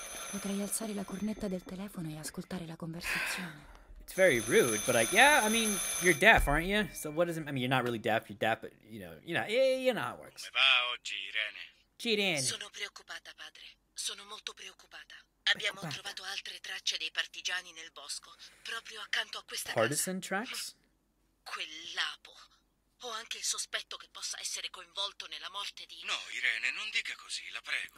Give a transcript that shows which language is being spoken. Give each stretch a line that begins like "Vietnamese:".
Italian: Potrei alzare la cornetta del telefono e ascoltare la conversazione.
English: It's very rude, but I mean, you're deaf, aren't you? So what is it? I mean, you're not really deaf, you're deaf, but you know how it works.
Italian: Come va oggi, Irene? Irene. Sono preoccupata, padre. Sono molto preoccupata. Abbiamo trovato altre tracce dei partigiani nel bosco, proprio accanto a questa
English: partisan
Italian: casa.
English: Tracks?
Italian: Quel lapo. Ho anche il sospetto che possa essere coinvolto nella morte di... No, Irene, non dica così, la prego.